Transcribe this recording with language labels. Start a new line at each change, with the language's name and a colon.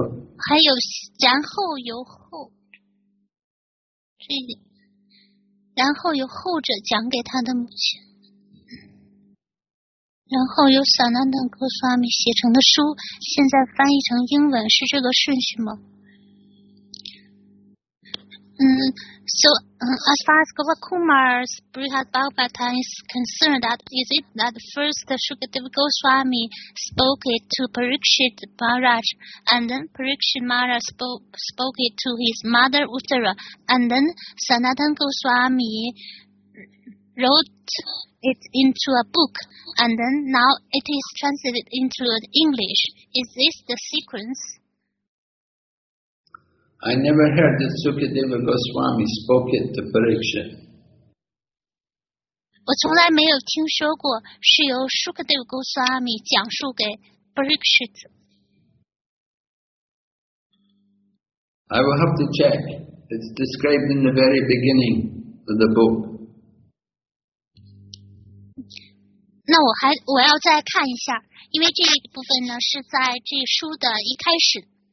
Chinese: 然后由后，这里，然后由后者讲给他的母亲，然后由萨那腾格苏阿米写成的书，现在翻译成英文，是这个顺序吗？
English: As far as Gopal Kumar's Brihad Bhagavata is concerned, that is it that first Sukadeva Goswami spoke it to Pariksit Maharaj, and then Pariksit Maharaj spoke it to his mother Uttara, and then Sanatana Goswami wrote it into a book, and then now it is translated into English. Is this the sequence? I never heard that Sukadeva Goswami spoke it to Pariksha.
Chinese: 我从来没有听说过是由 Sukadeva Goswami 讲述给 Pariksha.
English: I will have to check. It's described in the very beginning of the book.
Chinese: 那我要再看一下，因为这一部分呢是在这书的一开始。